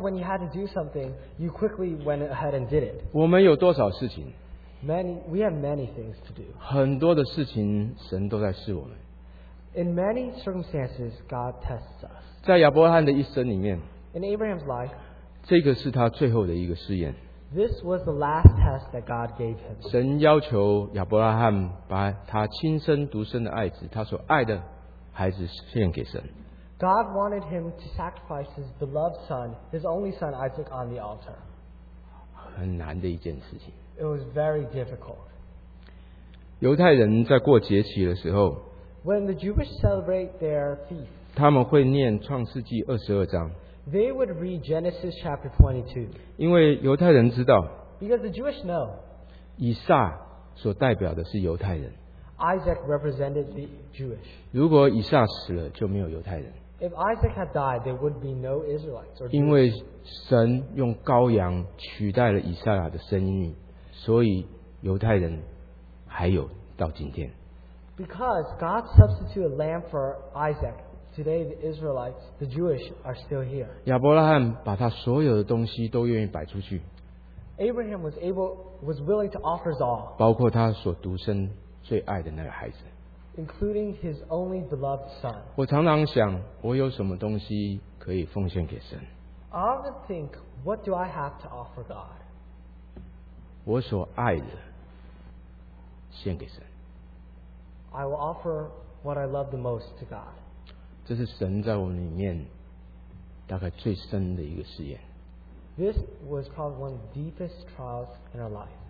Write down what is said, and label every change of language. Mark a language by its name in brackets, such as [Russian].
[English] when you had to do something, you quickly went ahead and did it. [Chinese] 我们有多少事情？ [English] We have many things to do. [Chinese] 很多的事情神都在试我们。 [English] In many circumstances, God tests us. [Chinese] 在亚伯拉罕的一生里面, [English] in Abraham's life, [Chinese] 这个是他最后的一个试验。 [English] This was the last test that God gave him. [Chinese] 神要求亚伯拉罕把他亲生独生的爱子，他所爱的孩子献给神。 [English] God wanted him to sacrifice his beloved son, his only son Isaac, on the altar. [Chinese] 很难的一件事情。 [English] It was very difficult. [Chinese] 犹太人在过节期的时候, [English] when the Jewish celebrate their feast, [Chinese] 他们会念创世纪22章, [English] they would read Genesis chapter 22. [Chinese] 因为犹太人知道, [English] because the Jewish know, [Chinese] 以撒所代表的是犹太人, [English] Isaac represented the Jewish. [Chinese] 如果以撒死了, 就没有犹太人, [English] if Isaac had died, there would be no Israelites. [Chinese] 因为神用羔羊取代了以撒的声音, 所以犹太人还有到今天。 [English] Because God substituted a lamb for Isaac, today the Israelites, the Jewish, are still here. [Chinese] 亚伯拉罕把他所有的东西都愿意摆出去。 [English] Abraham was able, was willing to offer his all, [Chinese] 包括他所独生最爱的那个孩子, [English] including his only beloved son. [Chinese] 我常常想我有什么东西可以奉献给神? [English] I often think, what do I have to offer God? [Chinese] 我所爱的献给神, [English] I will offer what I love the most to God. [Chinese] 这是神在我们里面大概最深的一个试验。 [English] This was probably one of the deepest trials in our life.